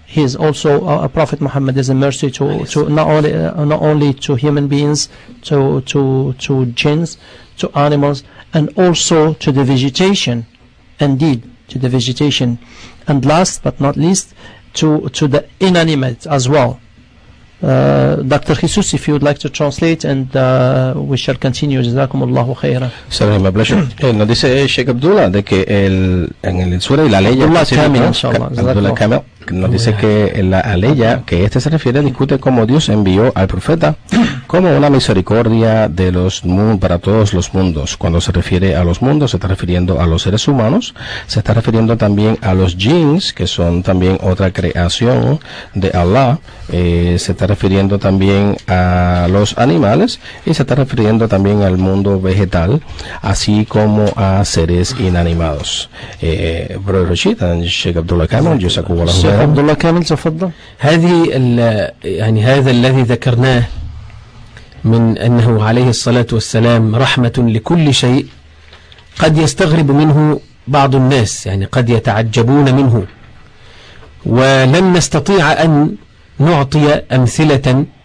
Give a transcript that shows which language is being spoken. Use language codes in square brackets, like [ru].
[en] He is also a Prophet Muhammad is a mercy to not only to human beings, to jinns, to animals, and also to the vegetation. Indeed, to the vegetation. And last but not least, to the inanimate as well. Dr. Jesus, if you would like to translate, and we shall continue. [ar] Jazakumullahu khairan. [en] Salam, my pleasure. [es] Nos dice Sheikh Abdullah de que en el sura y la ley. Abdullah Kamil, inshallah. Abdullah Kamil nos dice que la aleya que este se refiere discute cómo Dios envió al profeta como una misericordia de los para todos los mundos. Cuando se refiere a los mundos, se está refiriendo a los seres humanos, se está refiriendo también a los jinns, que son también otra creación de Allah, se está refiriendo también a los animales y se está refiriendo también al mundo vegetal, así como a seres inanimados. [en] Brother Rashid and Sheikh Abdullah Kamil, Jazakumullah. [ar] عبد الله كامل تفضل. هذه يعني هذا الذي ذكرناه من أنه عليه الصلاة والسلام رحمة لكل شيء، قد يستغرب منه بعض الناس، يعني قد يتعجبون منه، ولن نستطيع أن نعطي أمثلة